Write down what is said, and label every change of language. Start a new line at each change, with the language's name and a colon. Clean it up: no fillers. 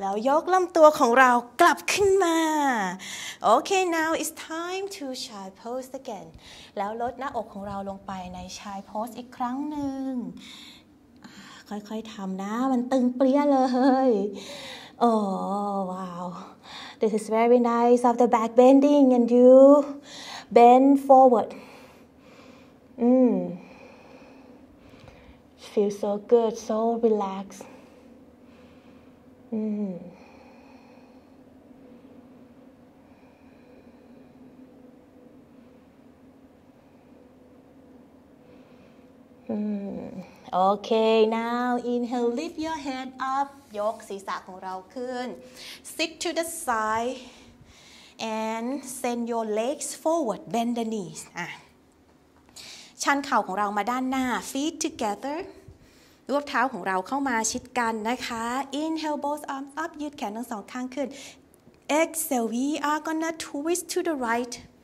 Thai: แล้วยกลำตัวของเรากลับขึ้นมาโอเค
English: now it's time to child pose again
Thai: แล้วลดหน้าอกของเราลงไปในchild poseอีกครั้งหนึ่งค่อยๆทำนะมันตึงเปรี้ยเลย
English: Oh, wow. This is very nice of the back bending and you bend forward. Feels so good, so relaxed. Okay, now inhale, lift your head up.
Thai: ยกศีรษะของเราขึ้น.
English: Sit to the side and send your legs forward. Bend the knees.
Thai: ชันเข่าของเรามาด้านหน้า.
English: Feet together.
Thai: รวบเท้าของเราเข้ามาชิดกันนะคะ.
English: Inhale, both arms up.
Thai: ยืดแขนทั้งสองข้างขึ้น.
English: Exhale, we are gonna twist to the right.